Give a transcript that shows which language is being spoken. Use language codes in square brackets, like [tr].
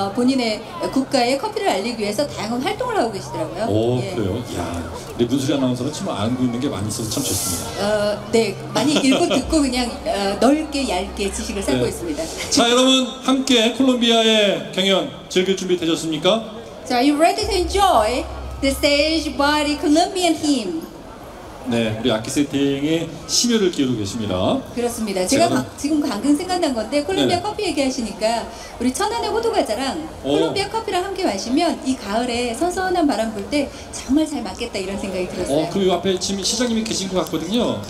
[ko] 본인의 국가의 커피를 알리기 위해서 다양한 활동을 하고 계시더라고요. 오, 예. 그래요? 이야, 우리 문수리 아나운서는 정말 알고 있는 게 많이 있어서 참 좋습니다. 네, 많이 읽고 듣고 그냥 넓게 얇게 지식을 쌓고 네. 있습니다. 자, 여러분 함께 콜롬비아의 경연 즐길 준비 되셨습니까? [en] So are you ready to enjoy the stage by the Colombian team? [ko] 네, 우리 악기 세팅에 심혈을 기울이고 계십니다. 그렇습니다. 제가 지금 방금 생각난 건데 콜롬비아 네. 커피 얘기하시니까 우리 천안의 호두과자랑 콜롬비아 커피랑 함께 마시면 이 가을에 선선한 바람 불 때 정말 잘 맞겠다 이런 생각이 들었어요. 그 앞에 지금 시장님이 계신 것 같거든요.